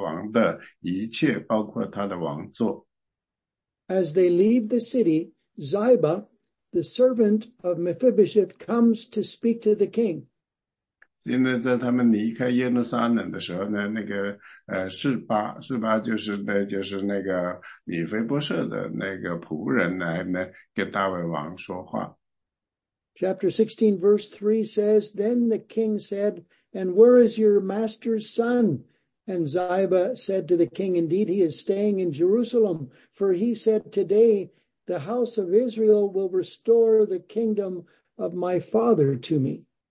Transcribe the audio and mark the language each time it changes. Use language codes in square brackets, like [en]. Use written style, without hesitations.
[zh] 因为在撒母耳记下的第16章里呢，突然呢，那个大卫王的儿子那个亚撒龙他起来造反背叛，他想呢夺去他的父亲大卫王的一切，包括他的王座。 [en] As they leave the city, Ziba, the servant of Mephibosheth, comes to speak to the king. [zh] 因为在他们离开耶路撒冷的时候呢，那个示巴就是那个米菲波设的那个仆人来呢，跟大卫王说话。 [en] Chapter 16, verse 3 says, Then the king said, And where is your master's son? And Ziba said to the king, Indeed, he is staying in Jerusalem. For he said, Today the house of Israel will restore the kingdom of my father to me.